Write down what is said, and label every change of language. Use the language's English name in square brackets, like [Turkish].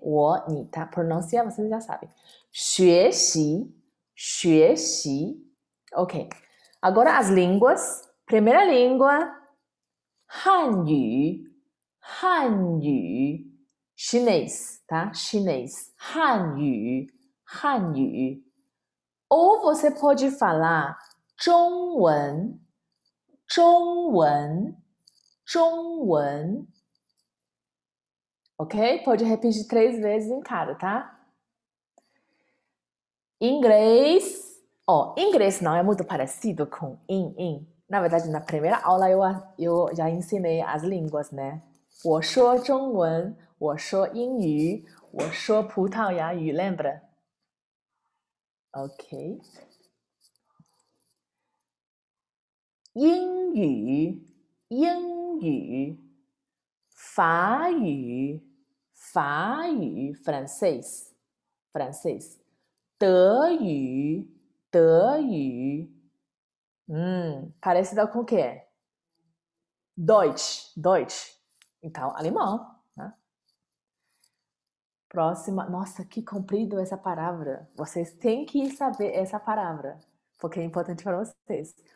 [Portuguese] 我, 你, 他, pronúncia, vocês já sabem. [Chinese] 学习, 学习, ok. [Portuguese] Agora as línguas. Primeira língua, 汉语, 汉语, chinês, tá? [Chinese] Chinês, 汉语, 汉语. [Portuguese] Ou você pode falar 中文, 中文, 中文. Ok? Pode repetir 3 vezes em cada, tá? Inglês. Ó, inglês não é muito parecido com in. Na verdade, na primeira aula eu já ensinei as línguas, né? [Chinese] 我说中文, 我说英语, 我说葡萄牙语, [Portuguese] lembra? [Chinese] Ok. 英语，英语，法语，法语，Francês，Francês，德语，德语， [Portuguese] parecido com o que é? Deutsch，Deutsch，então alemão, né? Próxima, nossa, que comprido essa palavra. Vocês têm que saber essa palavra, porque é importante para vocês.